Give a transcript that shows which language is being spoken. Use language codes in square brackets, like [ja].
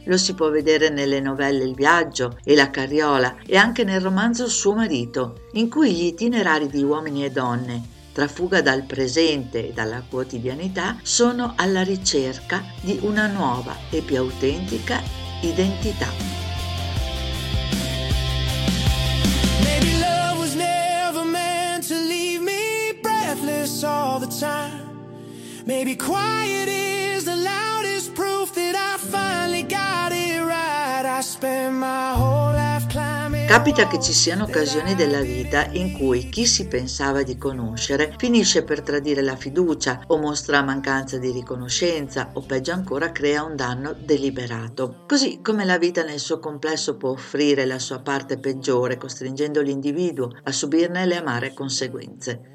[it] Lo si può vedere nelle novelle Il viaggio e La carriola e anche nel romanzo Suo marito, in cui gli itinerari di uomini e donne, tra fuga dal presente e dalla quotidianità, sono alla ricerca di una nuova e più autentica identità. [en] Maybe love was never meant to leave me breathless all the time. Maybe quiet is the loudest proof that I finally got it right. I spend my whole life climbing. [it] Capita che ci siano occasioni della vita in cui chi si pensava di conoscere finisce per tradire la fiducia o mostra mancanza di riconoscenza o peggio ancora crea un danno deliberato. Così come la vita nel suo complesso può offrire la sua parte peggiore costringendo l'individuo a subirne le amare conseguenze.